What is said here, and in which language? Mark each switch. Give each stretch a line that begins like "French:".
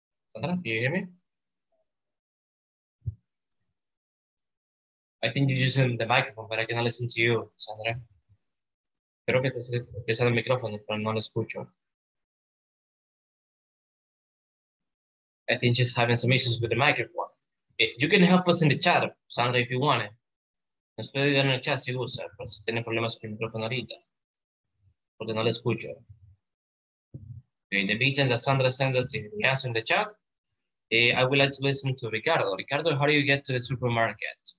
English: Sandra, can you hear me? I think you're using the microphone, but I cannot listen to you, Sandra.
Spanish: Creo que es el micrófono, pero no lo escucho.
English: I think she's having some issues with the microphone. You can help us in the chat, Sandra, if you want it.
Spanish: Nos puede ayudar en el chat si gusta, pero si tiene problemas con el micrófono ahorita. Porque no lo escucho.
English: In the meeting that Sandra sent us, if he has in the chat, I would like to listen to Ricardo. Ricardo, how do you get to the supermarket?